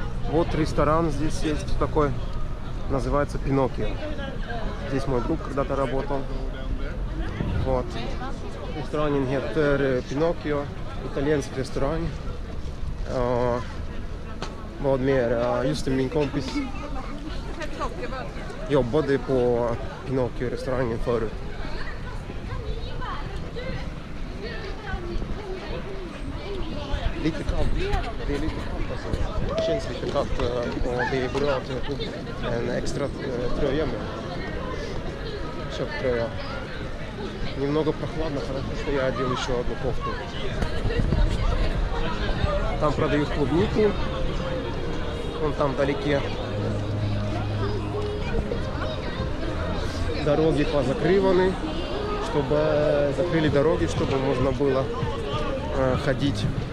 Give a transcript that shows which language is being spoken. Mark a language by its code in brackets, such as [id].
[ru] Вот ресторан здесь есть такой. Называется Пиноккио. Здесь мой друг когда-то работал. Вот. Ресторан Пиноккио. Итальянский ресторан. [sv] Vad mer? Just det, min kompis jobbade på Pinocchio-restaurangen förut. Lite kallt. Det är lite kallt alltså. Det känns lite kallt och det är bra att jag tog en extra tröja med. Köpt tröja. [ru] Немного прохладно, потому что я одел еще одну кофту. Там продают клубники. Вон там вдалеке. Дороги позакрываны, чтобы закрыли дороги, чтобы можно было ходить.